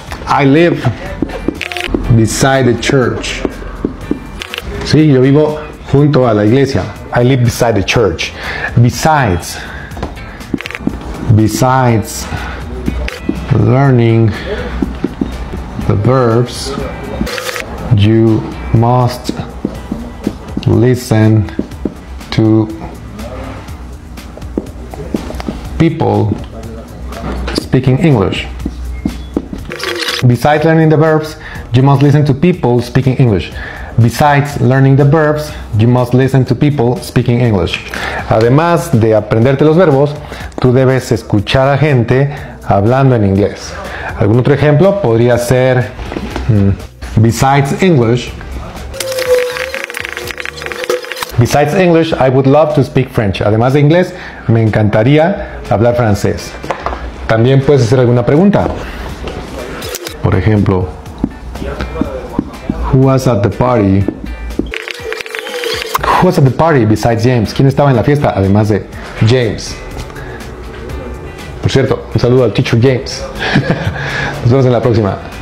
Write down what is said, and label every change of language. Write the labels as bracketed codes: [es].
[en] I live beside the church. [es] Sí, yo vivo junto a la iglesia. [en] I live beside the church. Besides. Besides learning the verbs, you must listen to people speaking English. Besides learning the verbs, you must listen to people speaking English. Besides learning the verbs, you must listen to people speaking English. [es] Además de aprenderte los verbos, tú debes escuchar a gente hablando en inglés. Algún otro ejemplo podría ser [en] besides English. Besides English, I would love to speak French. [es] Además de inglés, me encantaría hablar francés. También puedes hacer alguna pregunta. Por ejemplo, [en] who was at the party? Who was at the party besides James? [es] ¿Quién estaba en la fiesta además de James? Por cierto, un saludo al teacher James. Nos vemos en la próxima.